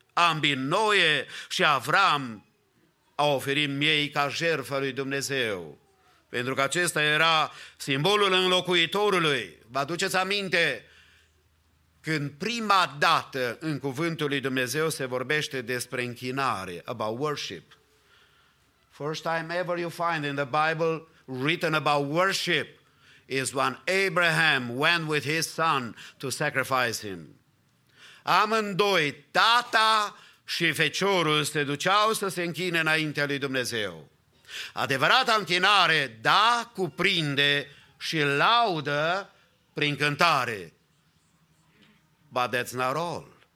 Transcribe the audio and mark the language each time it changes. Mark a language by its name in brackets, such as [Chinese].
[Romanian] Ambii Noe și Avram au oferit miei ca jertfă lui Dumnezeu. pentru că acesta era simbolul înlocuitorului. Vă aduceți aminte când prima dată în cuvântul lui Dumnezeu se vorbește despre închinare, [English] about worship. First time ever you find in the Bible written about worship is when Abraham went with his son to sacrifice him. [Romanian] Amândoi, tata și feciorul, se duceau să se închine înaintea lui Dumnezeu. Adevărata închinare, da, cuprinde și laudă prin cântare. [English] But that's not all.